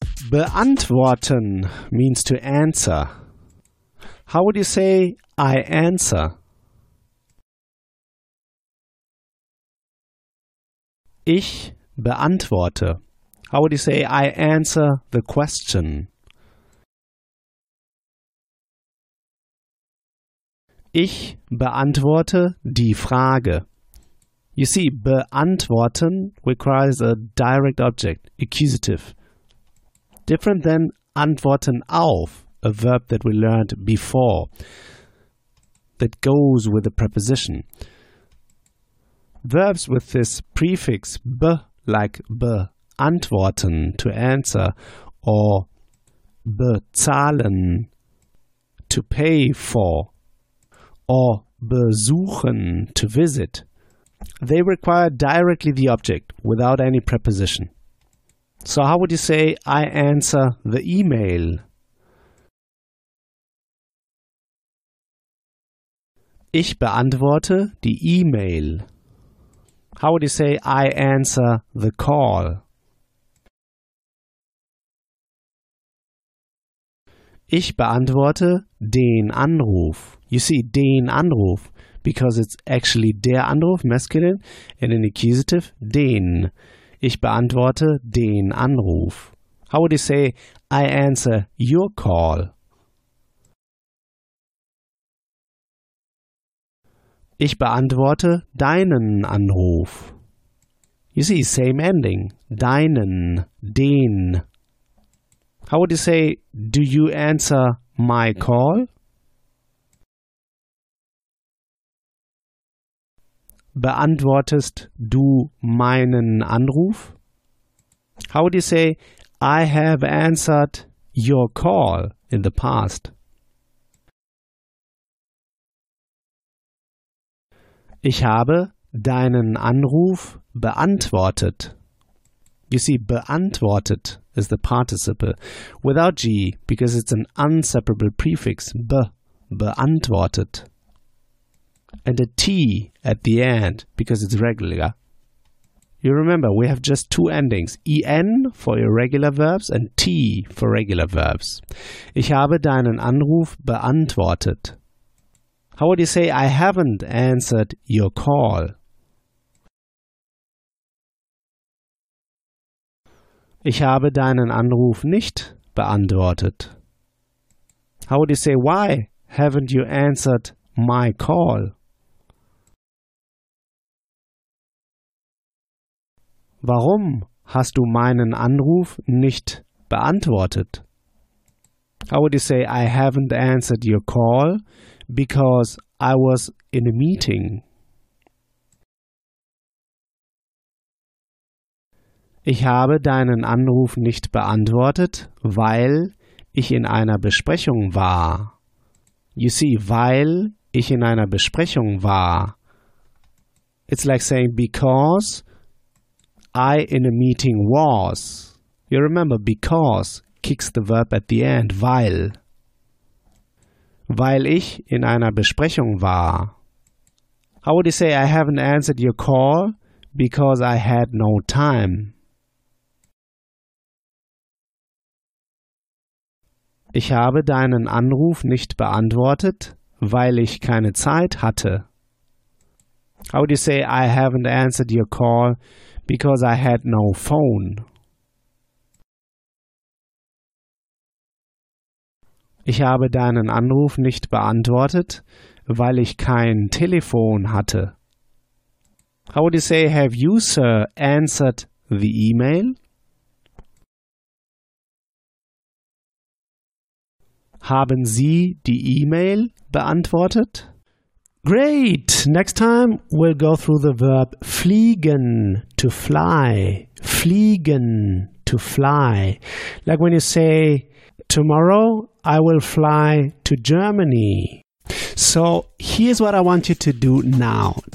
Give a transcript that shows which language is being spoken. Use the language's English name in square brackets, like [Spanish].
[English] Beantworten means to answer. How would you say I answer? [German] Ich beantworte. [English] How would you say I answer the question? [German] Ich beantworte die Frage. [English] You see, beantworten requires a direct object, accusative. Different than antworten auf, a verb that we learned before, that goes with the preposition. Verbs with this prefix be, like beantworten, to answer, or bezahlen, to pay for, or besuchen, to visit, they require directly the object without any preposition. So how would you say I answer the email? [German] Ich beantworte die E-Mail. [English] How would you say I answer the call? [German] Ich beantworte den Anruf. [English] You see, [German] den Anruf, [English] because it's actually [German] der Anruf, [English] masculine, and in accusative, den. [German] Ich beantworte den Anruf. [English] How would you say I answer your call? [German] Ich beantworte deinen Anruf. [English] You see, same ending. [German] Deinen, den. [English] How would you say, do you answer my call? [German] Beantwortest du meinen Anruf? [English] How would you say, I have answered your call in the past? [German] Ich habe deinen Anruf beantwortet. [English] You see, beantwortet is the participle without G because it's an inseparable prefix, be, beantwortet. And a T at the end because it's regular. You remember, we have just two endings, EN for irregular verbs and T for regular verbs. [German] Ich habe deinen Anruf beantwortet. [English] How would you say, I haven't answered your call? [German] Ich habe deinen Anruf nicht beantwortet. [English] How would you say, why haven't you answered my call? [German] Warum hast du meinen Anruf nicht beantwortet? [English] How would you say, I haven't answered your call? Because I was in a meeting. [German] Ich habe deinen Anruf nicht beantwortet, weil ich in einer Besprechung war. [English] You see, [German] weil ich in einer Besprechung war. [English] It's like saying because I in a meeting was. You remember, because kicks the verb at the end, weil. [German] Weil ich in einer Besprechung war. [English] How would you say I haven't answered your call? Because I had no time. [German] Ich habe deinen Anruf nicht beantwortet, weil ich keine Zeit hatte. [English] How would you say I haven't answered your call? Because I had no phone. [German] Ich habe deinen Anruf nicht beantwortet, weil ich kein Telefon hatte. [English] How would you say, have you, sir, answered the email? [German] Haben Sie die E-Mail beantwortet? [English] Great! Next time we'll go through the verb fliegen, to fly. Fliegen, to fly. Like when you say, tomorrow I will fly to Germany. So here's what I want you to do now.